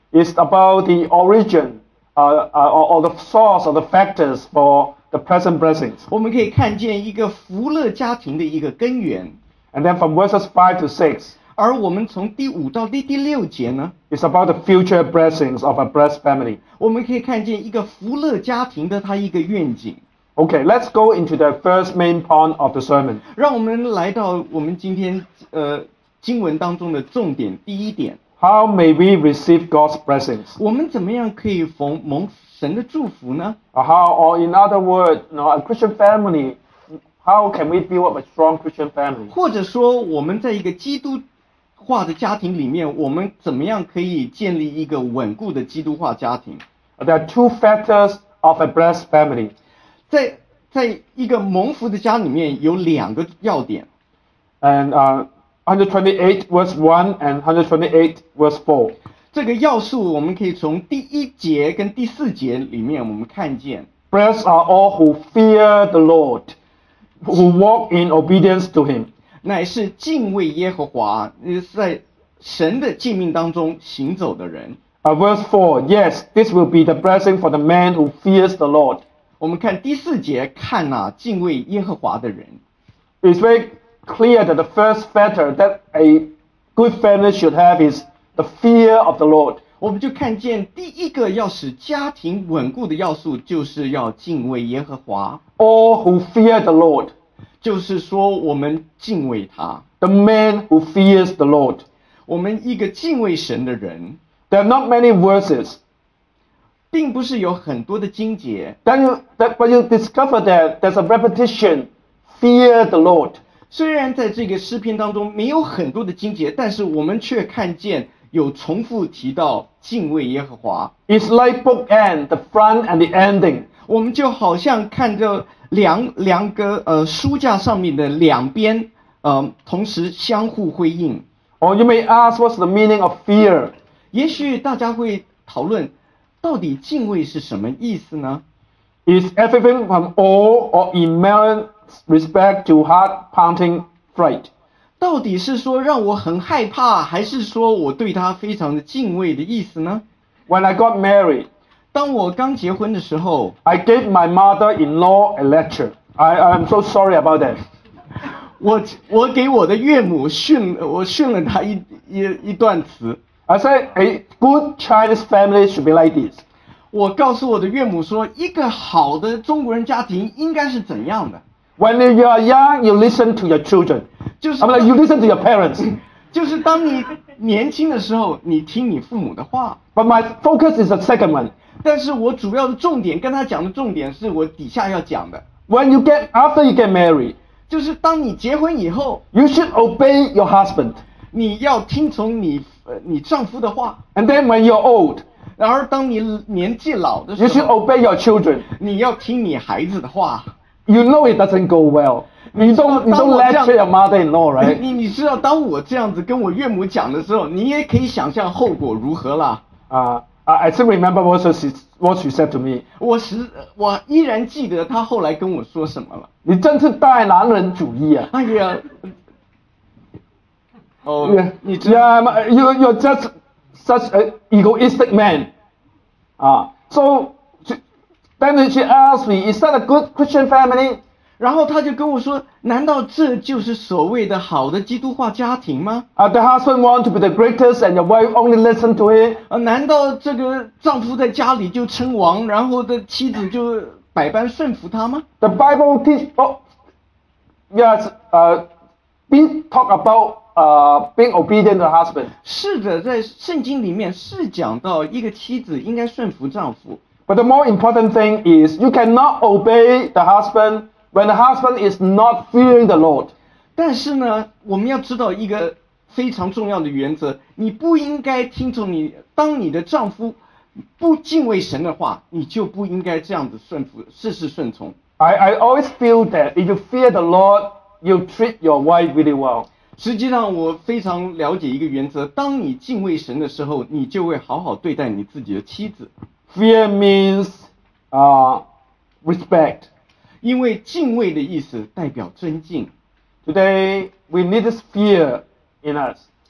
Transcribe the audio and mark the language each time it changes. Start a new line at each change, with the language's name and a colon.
English: It's about the origin, or the source, or the factors for the present blessings.
Chinese: 我们可以看见一个福乐家庭的一个根源。
English: And then from verses 5 to 6.
Chinese: 而我们从第五到第六节呢，
English: It's about the future blessings of a blessed family.
Chinese: 我们可以看见一个福乐家庭的它一个愿景。
English: Okay, let's go into the first main point of the sermon.
Chinese: 让我们来到我们今天经文当中的重点第一点。
English: How may we receive God's blessings?
Chinese: 我们怎么样可以蒙神的祝福呢？
English: How, or in other words, you know, a Christian family, how can we build up a strong Christian family?
Chinese: 或者说我们在一个基督化的家庭里面，我们怎么样可以建立一个稳固的基督化家庭？
English: There are two factors of a blessed family.
Chinese: 在一个蒙福的家里面有两个要点。
English: And 128 verse 1 and 128 verse 4.
Chinese: 这个要素我们可以从第一节跟第四节里面我们看见。
English: Blessed are all who fear the Lord, who walk in obedience to him.
Chinese: 乃是敬畏耶和华，在神的诫命当中行走的人。
English: Verse 4, yes, this will be the blessing for the man who fears the Lord.
Chinese: 我们看第四节，看啊，敬畏耶和华的人。
English: It's very clear that the first factor that a good family should have is the fear of the Lord.
Chinese: 我们就看见第一个要使家庭稳固的要素，就是要敬畏耶和华。
English: All who fear the Lord.
Chinese: 就是说我们敬畏他。
English: The man who fears the Lord.
Chinese: 我们一个敬畏神的人。
English: There are not many verses.
Chinese: 并不是有很多的经节。
English: But you discover that there's a repetition. Fear the Lord.
Chinese: 虽然在这个诗篇当中没有很多的经节，但是我们却看见有重复提到敬畏耶和华。
English: It's like bookend, the front and the ending.
Chinese: 我们就好像看着两个书架上面的两边同时相互辉映。
English: Or you may ask what's the meaning of fear.
Chinese: 也许大家会讨论到底敬畏是什么意思呢？
English: Is everything from awe or immense respect to heart pounding fright?
Chinese: 到底是说让我很害怕，还是说我对他非常的敬畏的意思呢？
English: When I got married,
Chinese: 当我刚结婚的时候，
English: I gave my mother-in-law a lecture. I'm so sorry about that.
Chinese: 我给我的岳母训了他一段词。
English: I said, a good Chinese family should be like this.
Chinese: 我告诉我的岳母说，一个好的中国人家庭应该是怎样的。
English: When you are young, you listen to your children. I'm like, you listen to your parents.
Chinese: 就是当你年轻的时候，你听你父母的话。
English: But my focus is the second one.
Chinese: 但是我主要的重点，跟他讲的重点是我底下要讲的。
English: When you get, after you get married,
Chinese: 就是当你结婚以后，
English: you should obey your husband.
Chinese: 你要听从你丈夫的话。
English: And then when you're old,
Chinese: 然而当你年纪老的时候，
English: you should obey your children.
Chinese: 你要听你孩子的话。
English: You know it doesn't go well. 你don't lecture your mother-in-law, right?
Chinese: 你知道当我这样子跟我岳母讲的时候，你也可以想象后果如何了。
English: I still remember what she said to me.
Chinese: 我依然记得她后来跟我说什么了。你真是大男人主义啊。哎呀，Oh,
English: you're just such an egoistic man. So then she asked me, is that a good Christian family?
Chinese: 然后他就跟我说，难道这就是所谓的好的基督化家庭吗？
English: The husband want to be the greatest and your wife only listen to him.
Chinese: 难道这个丈夫在家里就称王，然后的妻子就百般顺服他吗？
English: The Bible teach, we talk about being obedient to husband.
Chinese: 是的，在圣经里面是讲到一个妻子应该顺服丈夫。
English: But the more important thing is you cannot obey the husband when the husband is not fearing the Lord.
Chinese: 但是呢，我们要知道一个非常重要的原则，你不应该听从你，当你的丈夫不敬畏神的话，你就不应该这样子顺服，事事顺从。
English: I always feel that if you fear the Lord, you treat your wife really well.
Chinese: 实际上我非常了解一个原则，当你敬畏神的时候，你就会好好对待你自己的妻子。
English: Fear means respect.
Chinese: 因为敬畏的意思代表尊敬。
English: Today we need this fear in us.